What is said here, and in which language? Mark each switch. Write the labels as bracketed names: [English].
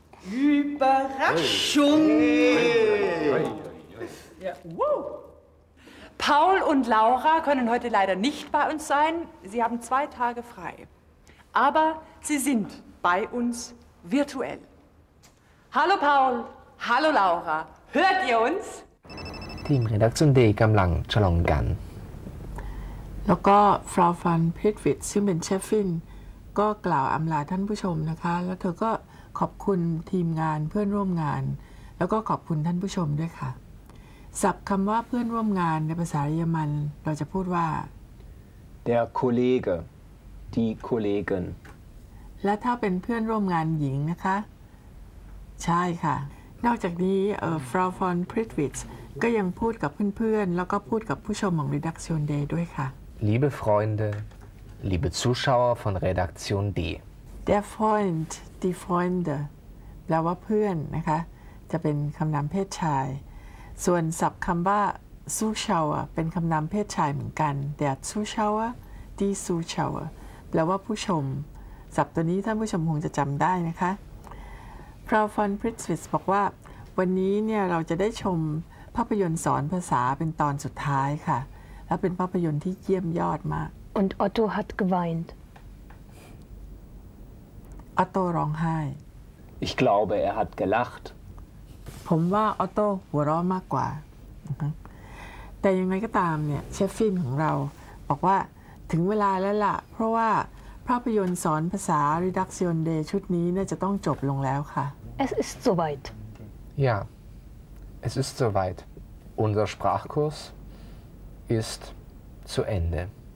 [German] Überraschung! Hey. Hey. Ja. Wow. Paul und Laura können heute leider nicht bei uns sein. Sie haben 2 Tage frei. Aber sie sind bei uns virtuell. Hallo Paul, hallo Laura. Hört ihr uns? [Thai] ทีมเรดักชันเดย์กำลังฉลองกัน แล้วก็ฟราฟันพิทวิทซึ่งเป็นเชฟฟินก็กล่าวอำลาท่านผู้ชมนะคะแล้วเธอก็ขอบคุณทีมงานเพื่อนร่วมงานแล้วก็ขอบคุณท่านผู้ชมด้วยค่ะศัพท์คำว่าเพื่อนร่วมงานในภาษาเยอรมันเราจะพูดว่า [German] Der Kollege Die Kollegen [Thai] และถ้าเป็นเพื่อนร่วมงานหญิงนะคะใช่ค่ะนอกจากนี้ฟราฟันพิทวิทก็ยังพูดกับเพื่อนๆแล้วก็พูดกับผู้ชมของ Redaktion D ด้วยค่ะ [German] Liebe Freunde Liebe Zuschauer von Redaktion D Der Freund Die Freunde [Thai] แปลว่าเพื่อนนะคะจะเป็นคำนามเพศชายส่วนศัพท์คำว่า Zuschauer เป็นคำนามเพศชายเหมือนกัน [German] Der Zuschauer Die Zuschauer [Thai] แปลว่าผู้ชมศัพท์ตัวนี้ท่านผู้ชมคงจะจำได้นะคะ Frau von Pritzwitz บอกว่าวันนี้เนี่ยเราจะได้ชมภาพยนตร์สอนภาษาเป็นตอนสุดท้ายค่ะแล้วเป็นภาพยนตร์ที่เยี่ยมยอดมาก [German] Und Otto hat geweint [Thai] Otto ร้องไห้ [German] Ich glaube er hat gelacht [Thai] ผมว่า Otto หัวเราะมากกว่าแต่ยังไงก็ตามเนี่ยเชฟฟินของเราบอกว่าถึงเวลาแล้วล่ะเพราะว่าภาพยนตร์สอนภาษา Redaktion D ชุดนี้น่าจะต้องจบลงแล้วค่ะ [German] Es ist soweit Ja Es ist soweit. Unser Sprachkurs ist zu Ende.